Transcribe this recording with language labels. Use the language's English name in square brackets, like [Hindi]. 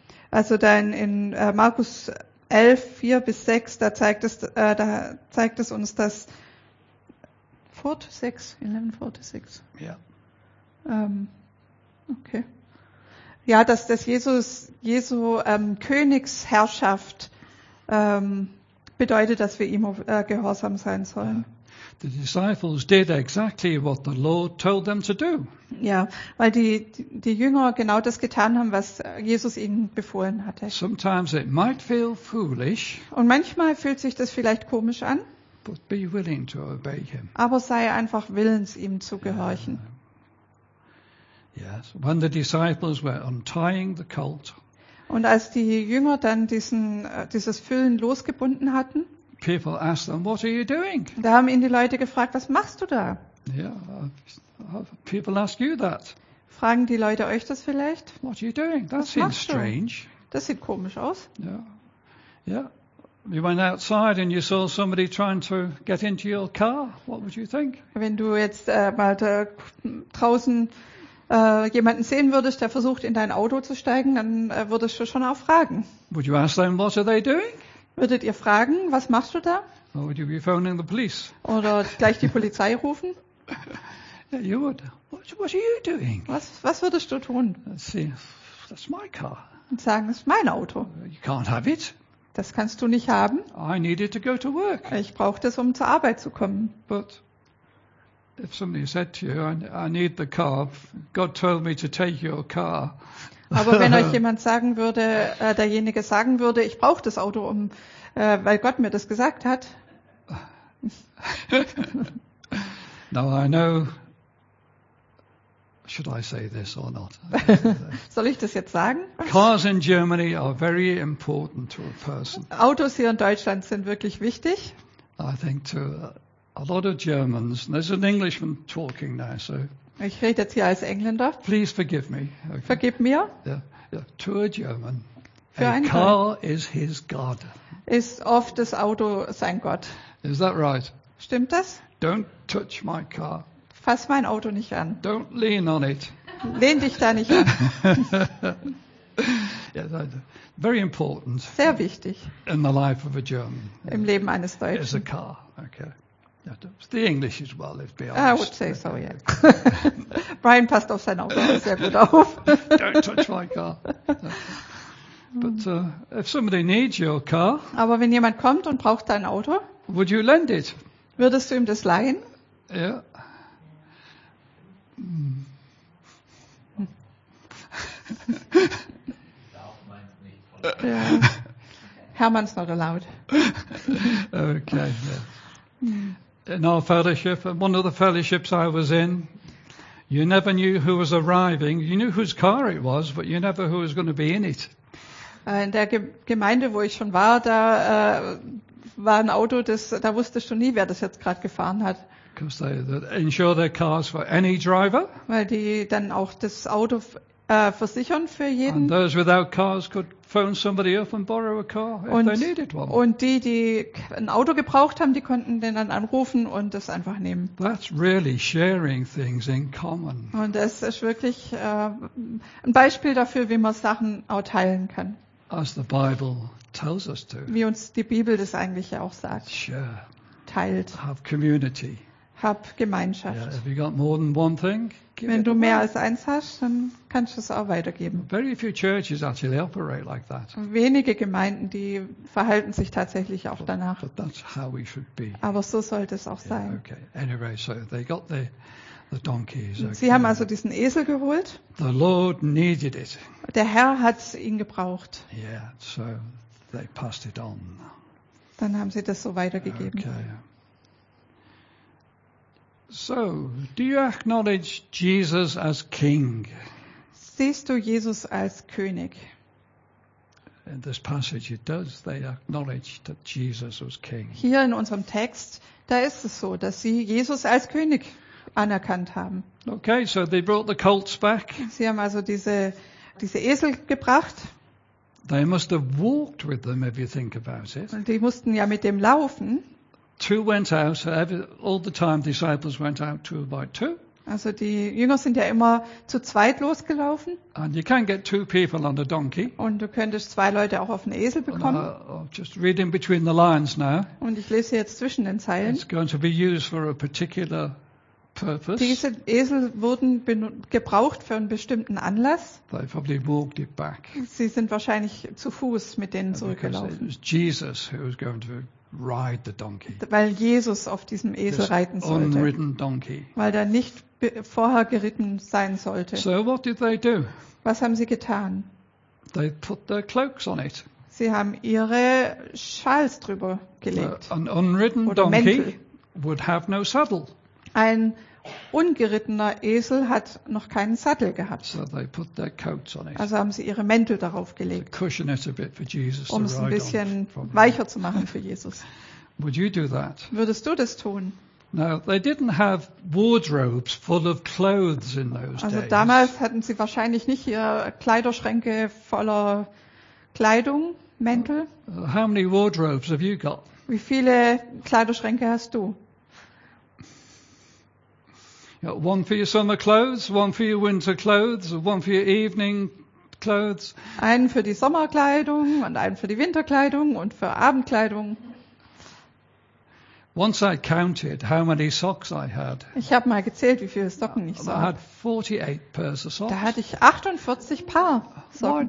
[German] Also in Markus 11, 4 bis 6, da zeigt es uns, dass [English] 4 to 6, 11, 4 to 6. [German] Ja. [English] Okay. [German] Ja, dass das Jesu Königsherrschaft bedeutet, dass wir ihm gehorsam sein sollen. Ja. [English] The disciples did exactly what the Lord told them to do. [German] Ja, weil die Jünger genau das getan haben, was Jesus ihnen befohlen hatte. [English] Sometimes it might feel foolish. [German] Und manchmal fühlt sich das vielleicht komisch an. [English] But be willing to obey him. [German] Aber sei einfach willens, ihm zu gehorchen. [English] Yes, when the disciples were untying the colt. [German] Und als die Jünger dann dieses Füllen losgebunden hatten. [English] People asked them, "What are you doing?" [German] Da haben ihn die Leute gefragt, was machst du da? [English] Yeah, people ask you that. [German] Fragen die Leute euch das vielleicht? [English] What are you doing? That seems strange. [German] Das sieht komisch aus. [English] Yeah. You went outside and you saw somebody trying to get into your car. What would you think? [German] Wenn du jetzt mal da draußen jemanden sehen würdest, der versucht in dein Auto zu steigen, dann würdest du schon auch fragen. [English] Would you ask them, "What are they doing?" [German] Würdet ihr fragen, was machst du da? [English] Or would you be phoning the police? [German] Oder gleich die Polizei rufen? [English] Yeah, you would. What are you doing? [German] Was würdest du tun? [English] Let's see. That's my car. [German] Und sagen, das ist mein Auto. [English] You can't have it. [German] Das kannst du nicht haben. [English] I need it to go to work. [German] Ich brauche das, um zur Arbeit zu kommen. [English] But if somebody said to you, I need the car, God told me to take your car. [German] Aber wenn euch jemand sagen würde, derjenige sagen würde, ich brauche das Auto, weil Gott mir das gesagt hat. [English] Now I know should I say this or not? [German] Soll ich das jetzt sagen? [English] Cars in Germany are very important to a person. [German] Autos hier in Deutschland sind wirklich wichtig. [English] I think to a lot of Germans. There's an Englishman talking now, so. [German] Ich rede jetzt hier als Engländer. [English] Please forgive me. Okay. [German] Vergib mir. [English] Yeah, yeah. To a German. [German] Für [English] a car is his God. [German] Ist oft das Auto sein Gott. [English] Is that right? [German] Stimmt das? [English] Don't touch my car. [German] Fass mein Auto nicht an. [English] Don't lean on it. [German] Lehn dich da nicht an. [English] Yes, very important. [German] Sehr wichtig. [English] In the life of a German. [German] Im Leben eines Deutschen. [English] It's a car. Okay. Yeah, the English as well, if be honest. I would say so, yeah. [German] Brian passed off sein Auto sehr gut auf. [English] Don't touch my car. But if somebody needs your car, [German] aber wenn jemand kommt und braucht dein Auto, [English] would you lend it? [German] Würdest du ihm das leihen? Ja. [English] Yeah. Yeah. Hermann's not allowed. Okay. Yeah. In our fellowship, one of the fellowships I was in, you never knew who was arriving. You knew whose car it was, but you never knew who was going to be in it. [German] In der Gemeinde, wo ich schon war, da war ein Auto, das, da wusstest du nie, wer das jetzt gerade gefahren hat. [English] Because they insure their cars for any driver. [German] Weil die dann auch das Auto versichern für jeden. [English] And those without cars could phone somebody up and borrow a car if they needed one. [German] Und die, die ein Auto gebraucht haben, die konnten den dann anrufen und das einfach nehmen. [English] That's really sharing things in common. [German] Und das ist wirklich ein Beispiel dafür, wie man Sachen auch teilen kann. [English] As the Bible tells us to. [German] Wie uns die Bibel das eigentlich ja auch sagt. [English] Share. [German] Teilt. [English] Have community. [German] Hab Gemeinschaft. [English] Yeah, if you got more than one thing, give [German] wenn [English] it [German] du [English] away. [German] Mehr als eins hast, dann kannst du es auch weitergeben. [English] Very few churches actually operate like that. [German] Wenige Gemeinden, die verhalten sich tatsächlich auch danach. [English] But that's how we should be. [German] Aber so sollte es auch sein. [English] Okay. Anyway, so they got the donkeys. Okay. [German] Sie haben also diesen Esel geholt. [English] The Lord needed it. [German] Der Herr hat ihn gebraucht. [English] Yeah, so they passed it on. [German] Dann haben sie das so weitergegeben. [English] Okay. So, do you acknowledge Jesus as King? [German] Siehst du Jesus als König? [English] In this passage it does. They acknowledge that Jesus was King. [German] Hier in unserem Text, da ist es so, dass sie Jesus als König anerkannt haben. [English] Okay, so they brought the colts back. [German] Sie haben also diese Esel gebracht. [English] They must have walked with them, if you think about it. [German] Die mussten ja mit dem laufen. [English] Two went out, so all the time disciples went out two by two. [German] Also die Jünger sind ja immer zu zweit losgelaufen. [English] And you can get two people on a donkey. [German] Und du könntest zwei Leute auch auf einen Esel bekommen. [English] I'll just read in between the lines now. [German] Und ich lese jetzt zwischen den Zeilen. [English] It's going to be used for a particular purpose. [German] Diese Esel wurden gebraucht für einen bestimmten Anlass. [English] They probably walked it back. [German] Sie sind wahrscheinlich zu Fuß mit denen zurückgelaufen. [English] It was Jesus who was going to ride the donkey. [German] Weil Jesus auf diesem Esel reiten sollte. [English] Unridden donkey. [German] Weil der nicht vorher geritten sein sollte. [English] So what did they do? [German] Was haben sie getan? [English] They put their cloaks on it. [German] Sie haben ihre Schals drüber gelegt. [English] An unridden donkey would have no saddle. [German] Ein ungerittener Esel hat noch keinen Sattel gehabt. [English] So they put their coats on it. [German] Also haben sie ihre Mäntel darauf gelegt, [English] to cushion it a bit for Jesus, [German] um es ein bisschen weicher zu machen für Jesus. [English] Would you do that? [German] Würdest du das tun? [English] Now, they didn't have wardrobes full of clothes in those days. [German] Also damals hatten sie wahrscheinlich nicht ihre Kleiderschränke voller Kleidung, Mäntel. [English] How many wardrobes have you got? [German] Wie viele Kleiderschränke hast du? [English] One for your summer clothes, one for your winter clothes, one for your evening clothes. [German] Einen für die Sommerkleidung und einen für die Winterkleidung und für Abendkleidung. [English] Once I counted how many socks I had. [German] Ich habe mal gezählt, wie viele Socken ich so [English] had. 48 pairs of socks. [German] Da hatte ich 48 Paar Socken.